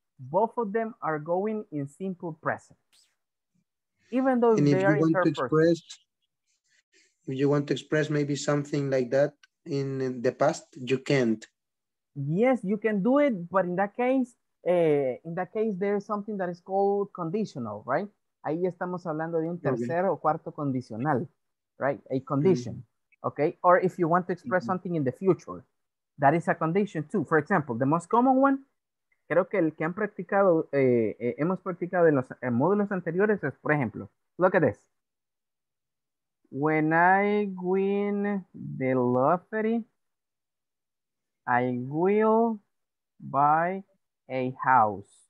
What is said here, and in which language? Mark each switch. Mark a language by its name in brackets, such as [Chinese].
[English] Both of them are going in simple present. Even though they are interpersonal. If you want to express maybe something like that in the past, you can't. Yes, you can do it, but in that case, there is something that is called conditional, right? [Spanish] Ahí estamos hablando de un tercero o cuarto condicional, [English] right? A condition, okay? Or if you want to express something in the future, that is a condition too. For example, the most common one, [Spanish] creo que el que hemos practicado en los módulos anteriores es, por ejemplo, [English] look at this. When I win the lottery, I will buy a house.